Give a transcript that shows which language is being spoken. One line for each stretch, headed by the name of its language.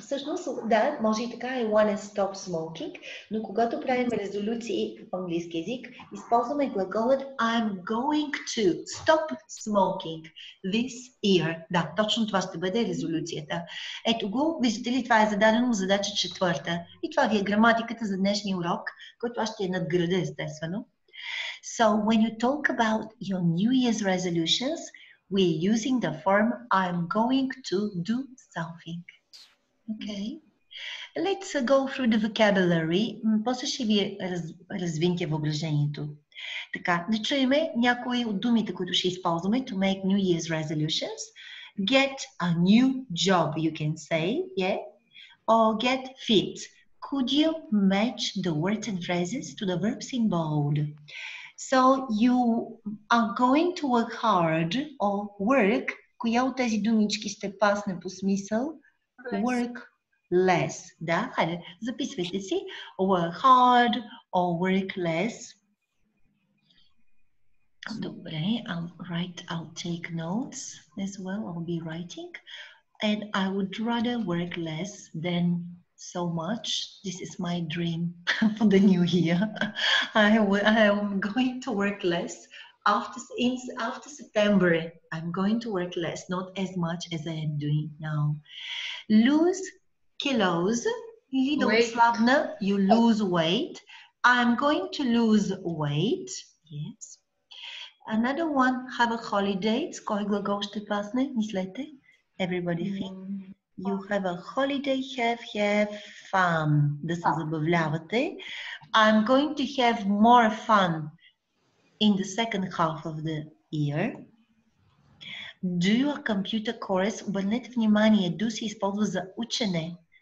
Bulgarian: Всъщност, да, може и така,
English: I want to stop smoking,
Bulgarian: но когато правим резолюции в английски език, използваме глаголът
English: I'm going to stop smoking this year.
Bulgarian: Да, точно това ще бъде резолюцията. Ето го, виждате ли, това е зададено задача четвърта. И това ви е граматиката за днешния урок, който аз ще я надграда естествено.
English: So, when you talk about your New Year's resolutions, We're using the form I'm going to do something. Okay. Let's go through the vocabulary.
Bulgarian: Може ще ви развинте въображението. Така, да чуем някои от думите, които ще използваме
English: to make New Year's resolutions. Get a new job, you can say, yeah? Or get fit. Could you match the words and phrases to the verbs in bold? So you are going to work hard or work.
Bulgarian: Коя от тези думички сте пасне по смисъл?
English: Less. Work less.
Bulgarian: Да, хайде, записвайте си.
English: Work hard or work less. Добре, I'll take notes as well. I'll be writing. And I would rather work less than so much. This is my dream for the new year. I am going to work less after September. I'm going to work less, not as much as I am doing now. Lose kilos. You lose weight. I'm going to lose weight. Yes. Another one, have a holiday.
Bulgarian: С кой глагол ще пасне? Мислете.
English: Everybody think. You have a holiday, have fun.
Bulgarian: Да се забавлявате.
English: I'm going to have more fun in the second half of the year. Do a computer course.
Bulgarian: Обърнете внимание, do се използва за учене.